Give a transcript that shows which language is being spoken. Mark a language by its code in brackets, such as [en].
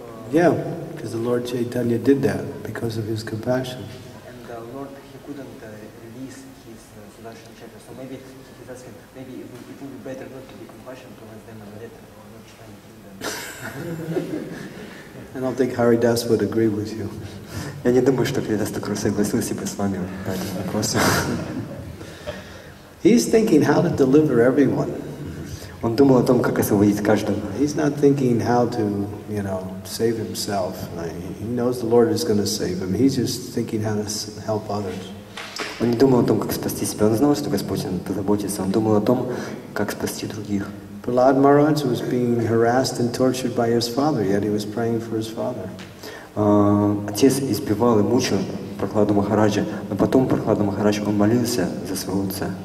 [en] Yeah, because the Lord Chaitanya did that because of his compassion. And the Lord, he couldn't release his Sudarshan Chakra, so maybe his asking, maybe it would be better not to be compassionate towards them and let them, or not trying to kill them. I don't think Haridas would agree with you. [ru] Я не думаю, что Харидас так согласился бы с вами по этому вопросу. [en] He's thinking how to deliver everyone. [ru] Он думал о том, как освободить каждого. [en] He's not thinking how to, you know, save himself. He knows the Lord is going to save him. He's just thinking how to help others. [ru] Он не думал о том, как спасти себя. Он знал, что Господь позаботится. Он думал о том, как спасти других. [en] Prahlad Maharaj was being harassed and tortured by his father, yet he was praying for his father. [ru] Отец избивал и мучил Прохладу Махараджа, но потом Прохлада Махарадж молился за своего отца.